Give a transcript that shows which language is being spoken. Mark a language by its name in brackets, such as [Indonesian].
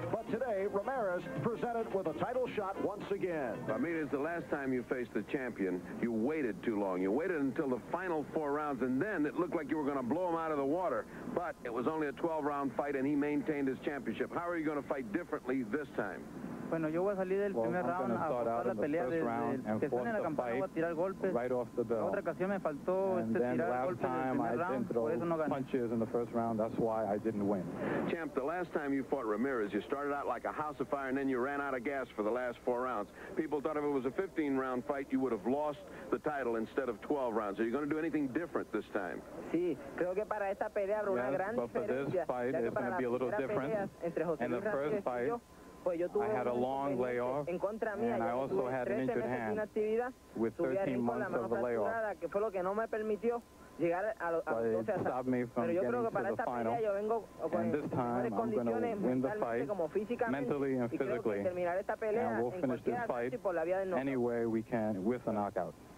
[English] But today, Ramirez presented with a title shot once again. Ramirez, the last time you faced the champion, you waited too long. You waited until the final four rounds, and then it looked like you were going to blow him out of the water. But it was only a 12-round fight, and he maintained his championship. How are you going to fight differently this time? [Spanish] Bueno, yo voy a salir del primer round a buscar la pelea desde que estén en la campana, voy a tirar golpes. [English] Right off the bell. [Spanish] Otra ocasión me faltó este tirar golpes en el primer round, por eso no gané. [English] Punches in the first round, that's why I didn't win. Champ, the last time you fought Ramirez, you started out like a house of fire and then you ran out of gas for the last four rounds. People thought if it was a 15-round fight, you would have lost the title instead of 12 rounds. Are you going to do anything different this time? [Spanish] Sí, creo que para esta pelea habrá una gran diferencia. [English] But for this fight, it's going to be a little different. In the first fight, I had a long layoff, and I also had an injured hand with 13 months of the layoff. But it stopped me from getting to the final, and this time I'm going to win the fight mentally and physically, and we'll finish this fight any way we can with a knockout.